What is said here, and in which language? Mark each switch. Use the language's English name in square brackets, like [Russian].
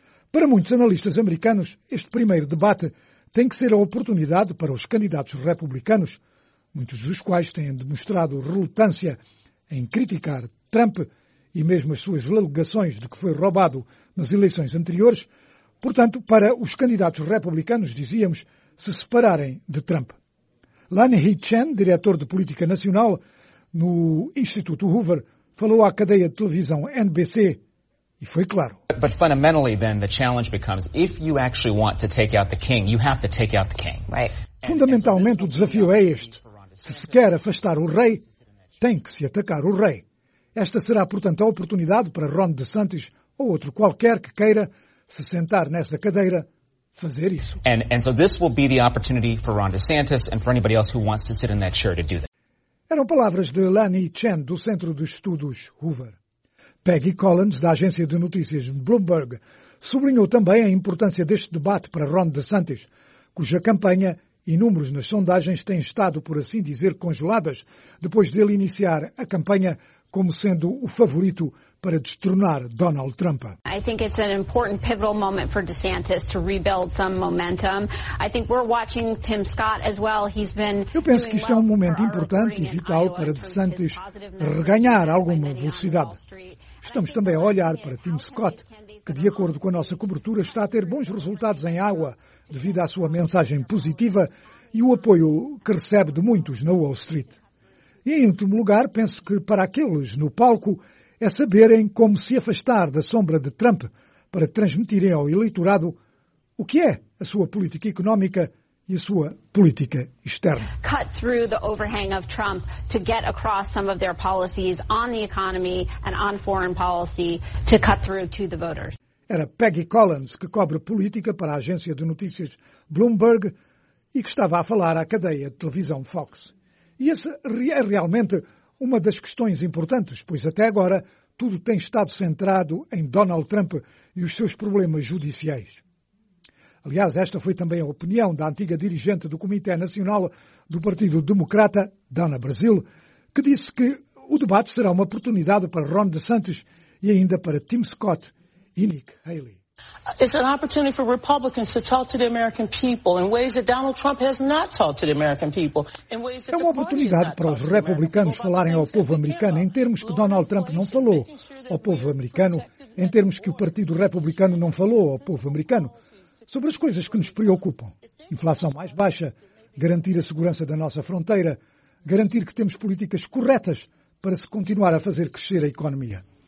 [Portuguese] Para muitos analistas americanos, este primeiro debate tem que ser a oportunidade para os candidatos republicanos, muitos dos quais têm demonstrado relutância em criticar Trump e mesmo as suas alegações de que foi roubado nas eleições anteriores, portanto, para os candidatos republicanos, dizíamos, se separarem de Trump. Lanny Chen, diretor de Política Nacional no Instituto Hoover, falou à cadeia de televisão NBC e foi claro. [English] But fundamentally then the challenge becomes if you actually want to take out the king, you have to take out the king. [Portuguese] Fundamentalmente o desafio é este. Se se quer afastar o rei, tem que se atacar o rei. Esta será, portanto, a oportunidade para Ron DeSantis ou outro qualquer que queira se sentar nessa cadeira fazer isso. [English] And so this will be the opportunity for Ron DeSantis and for anybody else who wants to sit in that chair to do that. [Portuguese] Eram palavras de Lanny Chen, do Centro de Estudos Hoover. Peggy Collins, da agência de notícias Bloomberg, sublinhou também a importância deste debate para Ron DeSantis, cuja campanha e números nas sondagens têm estado, por assim dizer, congeladas, depois dele iniciar a campanha como sendo o favorito para destronar Donald Trump. [English] I think it's an important pivotal moment for DeSantis to rebuild some momentum. I think we're watching Tim Scott as well. He's been. [Portuguese] Eu penso que isto é um momento importante e vital para DeSantis reganhar alguma velocidade. Estamos também a olhar para Tim Scott, que de acordo com a nossa cobertura está a ter bons resultados em Iowa devido à sua mensagem positiva e o apoio que recebe de muitos na Wall Street. E em último lugar, penso que para aqueles no palco é saberem como se afastar da sombra de Trump para transmitirem ao eleitorado o que é a sua política económica e a sua política externa. [English] Cut through the overhang of Trump to get across some of their policies on the economy and on foreign policy to cut through to the voters. [Portuguese] Era Peggy Collins, que cobre política para a agência de notícias Bloomberg e que estava a falar à cadeia de televisão Fox. E essa é realmente uma das questões importantes, pois até agora tudo tem estado centrado em Donald Trump e os seus problemas judiciais. Aliás, esta foi também a opinião da antiga dirigente do Comitê Nacional do Partido Democrata, Dana Brasil, que disse que o debate será uma oportunidade para Ron DeSantis e ainda para Tim Scott e Nick Haley. [English] It's an opportunity for Republicans to talk to the American people in ways that Donald Trump has not talked to the American people. [Portuguese] É uma oportunidade para os republicanos falarem ao povo americano em termos que Donald Trump não falou ao povo americano, em termos que o Partido Republicano não falou ao povo americano, sobre as coisas que nos preocupam. Inflação mais baixa, garantir a segurança da nossa fronteira, garantir que temos políticas corretas para se continuar a fazer crescer a economia.